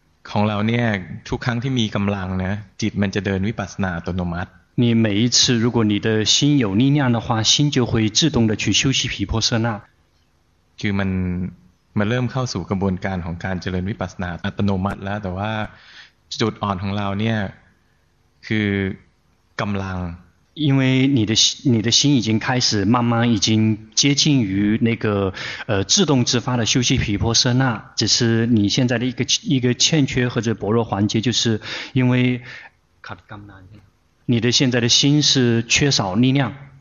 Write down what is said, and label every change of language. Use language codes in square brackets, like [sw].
[th] ของเราเนี่ยทุกครั้งที่มีกำลังนะจิตมันจะเดินวิปัสสนาอัตโนมัติ [zh] 你每一次如果你的心有力量的话心就会自动的去休息毗婆舍那 [th] คือมันเริ่มเข้าสู่กระบวนการของการเจริญวิปัสสนาอัตโนมัติแล้วแต่ว่าจุดอ่อนของเราเนี่ยคือกำลัง [zh] 因为你的心已经开始慢慢已经接近于那个自动自发的休息毗婆舍那只是你现在的一个欠缺或者薄弱环节就是因为你的现在的心是缺少力量